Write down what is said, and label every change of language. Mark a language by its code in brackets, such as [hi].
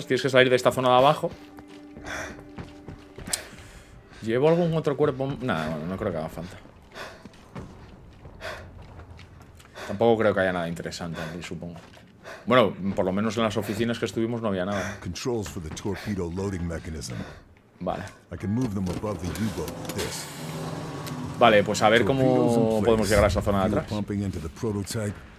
[es] Tienes que salir de esta zona de abajo. ¿Llevo algún otro cuerpo? No creo que haga falta. Tampoco creo que haya nada interesante aquí, supongo. Bueno, por lo menos en las oficinas que estuvimos no había nada. [en] Controls for the torpedo loading mechanism. Vale. I can move them above the U-boat with this. [es] Vale, pues a ver cómo podemos llegar a esa zona de atrás.